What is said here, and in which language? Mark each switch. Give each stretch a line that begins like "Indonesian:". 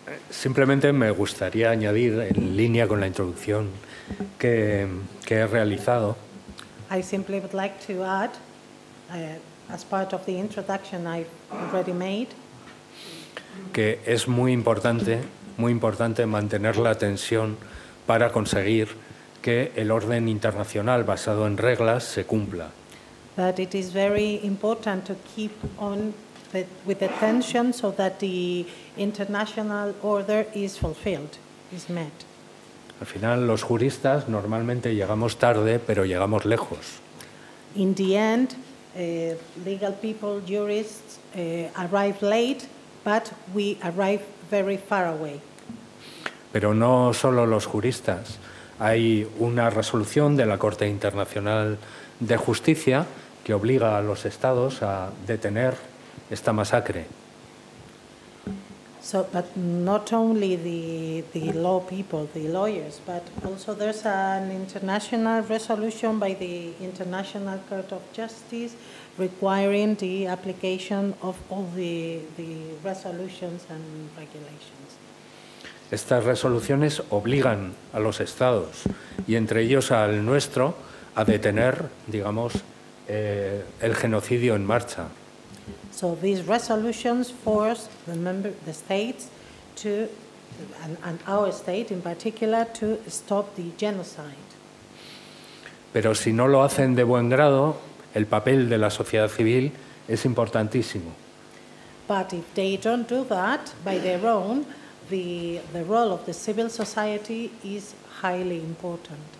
Spanish: Simplemente me gustaría añadir, en línea con la introducción que he realizado,
English: I simply would like to add, as part of the introduction I've already made,
Spanish: que es muy importante mantener la tensión para conseguir que el orden internacional basado en reglas se cumpla.
English: But it is very important to keep on with the tension so that the international order is fulfilled, is met.
Spanish: Al final, los juristas normalmente llegamos tarde, pero llegamos lejos.
English: In the end, legal people, jurists, arrive late, but we arrive very far away.
Spanish: Pero no solo los juristas. Hay una resolución de la Corte Internacional de Justicia que obliga a los estados a detener esta masacre.
English: So, but not only the law people, the lawyers, but also there's an international resolution by the International Court of Justice requiring the application of all the resolutions and regulations.
Spanish: Estas resoluciones obligan a los estados y entre ellos al nuestro a detener, digamos, el genocidio en marcha.
English: So these resolutions force the member the states to, and our state in particular, to stop the genocide.
Spanish: Pero si no lo hacen de buen grado, el papel de la sociedad civil es importantísimo.
English: But if they don't do that by their own, the role of the civil society is highly important.